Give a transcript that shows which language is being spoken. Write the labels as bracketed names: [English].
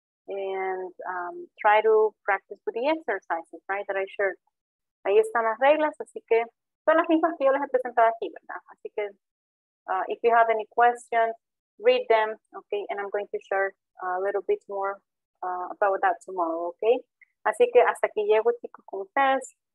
[English] And try to practice with the exercises, right? That I shared. [Spanish] Ahí están las reglas, así que son las mismas que yo les he presentado aquí, ¿verdad? Así que, [English] if you have any questions, read them, okay? And I'm going to share a little bit more about that tomorrow, okay? [Spanish] Así que hasta aquí llego, chicos, con ustedes.